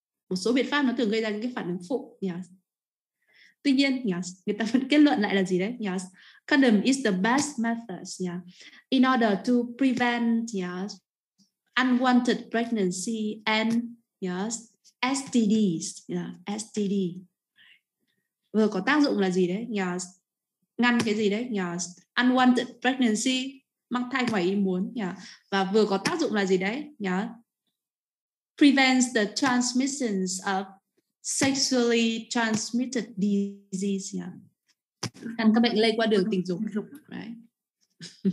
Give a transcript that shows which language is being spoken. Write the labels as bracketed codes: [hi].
[vi] Một số biện pháp nó thường gây ra những cái phản ứng phụ, yes. Tuy nhiên, yes, người ta vẫn kết luận lại là gì đấy, yes. [en] Condom is the best method, yeah, in order to prevent, yes, unwanted pregnancy and, yes, STDs, yeah, STD. [vi] Vừa có tác dụng là gì đấy, yes, ngăn cái gì đấy, yes, [en] unwanted pregnancy, [vi] mang thai ngoài ý muốn, yeah, và vừa có tác dụng là gì đấy, yes, [en] prevents the transmissions of sexually transmitted disease, [vi] yeah, ngăn các bệnh lây qua đường tình dục, right?